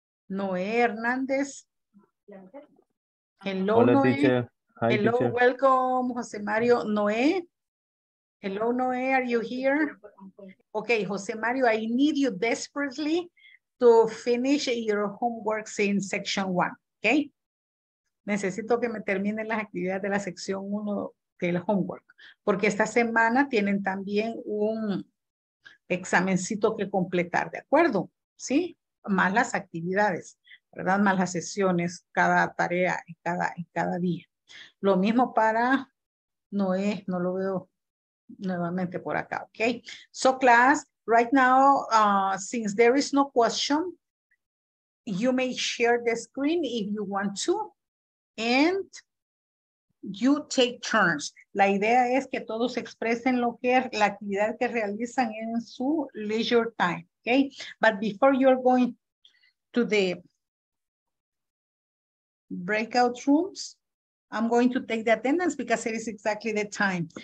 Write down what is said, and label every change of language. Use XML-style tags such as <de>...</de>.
<en>Noé Hernandez. Hello,</en> <es>hola,</es> <en>Noé. Teacher. Hi, hello, teacher. Welcome, Jose Mario. Noé. Hello, Noé, are you here? Okay, Jose Mario, I need you desperately to finish your homeworks in section one, okay?</en> <es>Necesito que me terminen las actividades de la sección uno del homework, porque esta semana tienen también un examencito que completar, ¿de acuerdo? ¿Sí? Más las actividades, ¿verdad? Más las sesiones, cada tarea, cada día. Lo mismo para Noé, no lo veo. Nuevamente por acá, okay.</es> <en>So class, right now, since there is no question, you may share the screen if you want to, and you take turns.</en> <es>La idea es que todos expresen lo que es la actividad que realizan en su leisure time, okay?</es> <en>But before you're going to the breakout rooms, I'm going to take the attendance because it is exactly the time.</en>